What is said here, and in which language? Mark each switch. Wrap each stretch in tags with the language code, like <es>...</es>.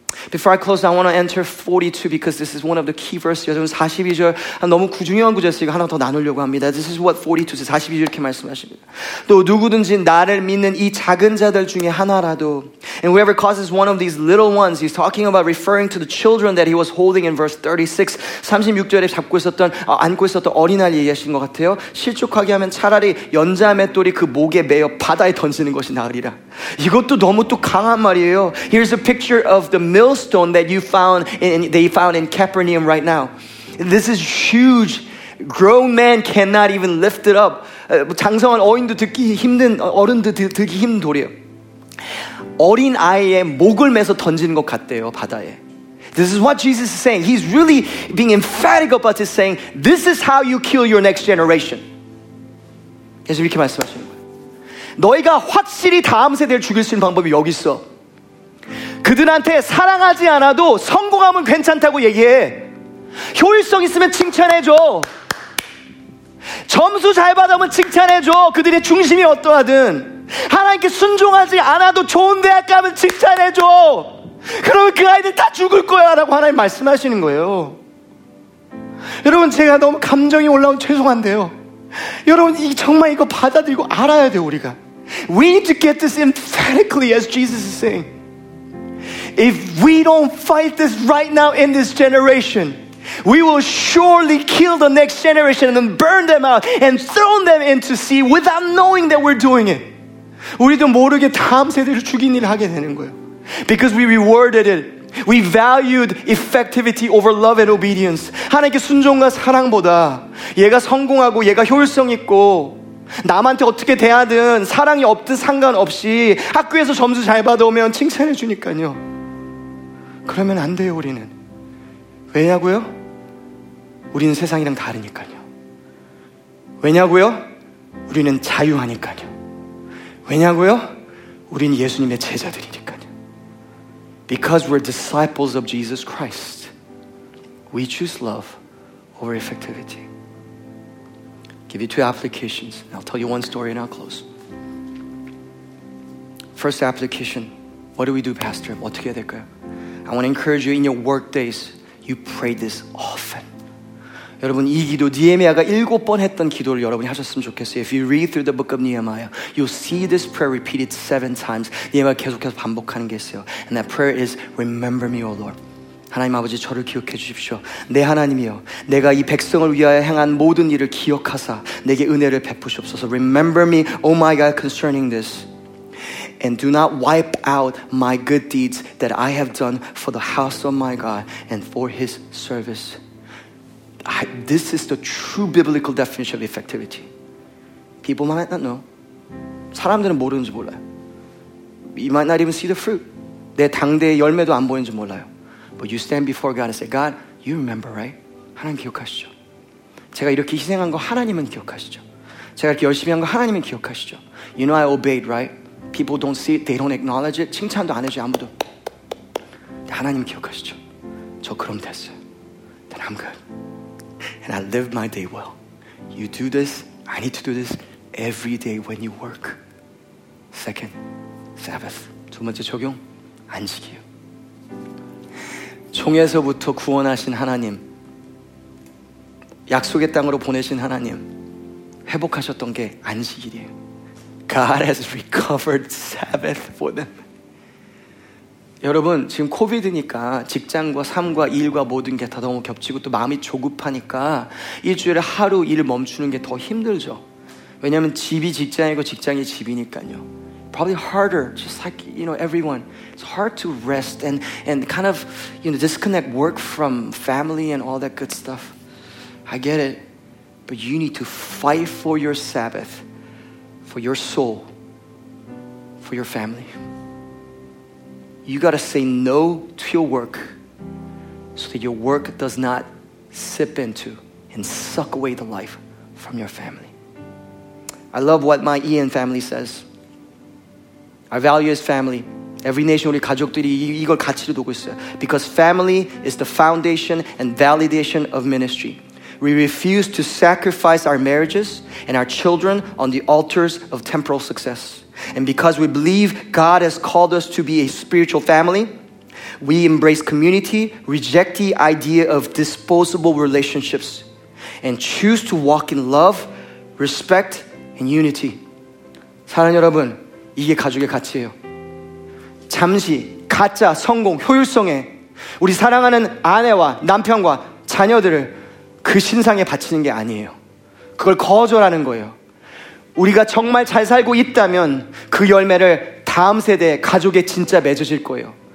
<en>Before I close, I want to enter 42 because this is one of the key verses.</en> <ko>42절, 너무 중요한 구절씩 하나 더 나누려고 합니다.</ko> <en>This is what 42 says.</en> <ko>42절 이렇게 말씀하십니다. 또 누구든지 나를 믿는 이 작은 자들 중에 하나라도.</ko> <en>And whoever causes one of these little ones, he's talking about referring to the children that he was holding in verse 36.</en> <ko>36절에 잡고 있었던, 안고 있었던 어린아이 얘기하신 것 같아요. 실족하게 하면 차라리 연자 맷돌이 그 목에 매어 바다에 던지는 것이 나으리라. 이것도 너무 또 강한 말이에요.</ko> <en>Here's a picture of the millstone that you found in, they found in Capernaum right now. This is huge. Grown man cannot even lift it up.</en> <ko>장성한 어른도 듣기 힘든 어른도 들기 힘든 돌이에요. 어린 아이의 목을 매서 던지는 것 같대요 바다에.</ko> <en>This is what Jesus is saying. He's really being emphatic about this, saying this is how you kill your next generation.</en> <ko>계속 이렇게 말씀하시는 거예요. 너희가 확실히 다음 세대를 죽일 수 있는 방법이 여기 있어. 그들한테 사랑하지 않아도 성공하면 괜찮다고 얘기해. 효율성 있으면 칭찬해줘. 점수 잘 받으면 칭찬해줘. 그들의 중심이 어떠하든. 하나님께 순종하지 않아도 좋은 대학 가면 칭찬해줘. 그러면 그 아이들 다 죽을 거야 라고 하나님 말씀하시는 거예요. 여러분 제가 너무 감정이 올라오면 죄송한데요, 여러분 정말 이거 받아들이고 알아야 돼요 우리가.</ko> <en>We need to get this emphatically as Jesus is saying. If we don't fight this right now in this generation, we will surely kill the next generation and burn them out and throw them into sea without knowing that we're doing it.</en> <ko>우리도 모르게 다음 세대를 죽인 일을 하게 되는 거예요.</ko> <en>Because we rewarded it. We valued effectivity over love and obedience.</en> <ko>하나님께 순종과 사랑보다 얘가 성공하고 얘가 효율성 있고 남한테 어떻게 대하든 사랑이 없든 상관없이 학교에서 점수 잘 받아오면 칭찬해 주니까요. 그러면 안 돼요 우리는. 왜냐고요? 우리는 세상이랑 다르니까요. 왜냐고요? 우리는 자유하니까요. 왜냐고요? 우린 예수님의 제자들이니까요.</ko> <en>Because we're disciples of Jesus Christ, we choose love over effectivity. Give you two applications. I'll tell you one story and I'll close. First application, what do we do, Pastor?</en> <ko>어떻게 해야 될까요?</ko> <en>I want to encourage you in your work days, you pray this often.</en> <ko>여러분 이 기도, 니에미아가 일곱 번 했던 기도를 여러분이 하셨으면 좋겠어요.</ko> <en>If you read through the book of Nehemiah, you'll see this prayer repeated seven times.</en> <ko>니에미아가 계속해서 반복하는 게 있어요.</ko> <en>And that prayer is, remember me, O Lord.</en> <ko>하나님 아버지 저를 기억해 주십시오. 내 하나님이여, 내가 이 백성을 위하여 행한 모든 일을 기억하사 내게 은혜를 베푸시옵소서.</ko> <en>Remember me, oh my God, concerning this. And do not wipe out my good deeds that I have done for the house of my God and for his service. This is the true biblical definition of effectivity. People might not know.</en> <ko>사람들은 모르는지 몰라요.</ko> <en>You might not even see the fruit.</en> <ko>내 당대의 열매도 안 보이는지 몰라요.</ko> <en>But you stand before God and say, God, you remember, right?</en> <ko>하나님 기억하시죠. 제가 이렇게 희생한 거 하나님은 기억하시죠. 제가 이렇게 열심히 한 거 하나님은 기억하시죠.</ko> <en>You know I obeyed, right? People don't see it, they don't acknowledge it.</en> <ko>칭찬도 안 해줘요, 아무도. 하나님 기억하시죠. 저 그럼 됐어요.</ko> <en>Then I'm good. And I live my day well. You do this, I need to do this every day when you work. Second, Sabbath.</en> <ko>두 번째 적용, 안식이요. 종에서부터 구원하신 하나님, 약속의 땅으로 보내신 하나님, 회복하셨던 게 안식일이에요.</ko> <en>God has recovered Sabbath for them.</en> <ko>여러분 지금 코비드니까 직장과 삶과 일과 모든 게 다 너무 겹치고 또 마음이 조급하니까 일주일에 하루 일 멈추는 게 더 힘들죠. 왜냐하면 집이 직장이고 직장이 집이니까요.</ko> <en>probably harder, just like, you know, everyone. It's hard to rest and kind of, you know, disconnect work from family and all that good stuff. I get it. But you need to fight for your Sabbath, for your soul, for your family. You got to say no to your work so that your work does not sip into and suck away the life from your family. I love what my Ian family says. I value his family.</en> <ko>Every nation, 우리 가족들이 이걸 가치로 두고 있어요.</ko> <en>Because family is the foundation and validation of ministry. We refuse to sacrifice our marriages and our children on the altars of temporal success. And because we believe God has called us to be a spiritual family, we embrace community, reject the idea of disposable relationships, and choose to walk in love, respect, and unity.</en> <ko>사랑 여러분, 이게 가족의 가치예요. 잠시 가짜 성공 효율성에 우리 사랑하는 아내와 남편과 자녀들을 그 신상에 바치는 게 아니에요. 그걸 거절하는 거예요. 우리가 정말 잘 살고 있다면 그 열매를 다음 세대의 가족에 진짜 맺으실 거예요.</ko>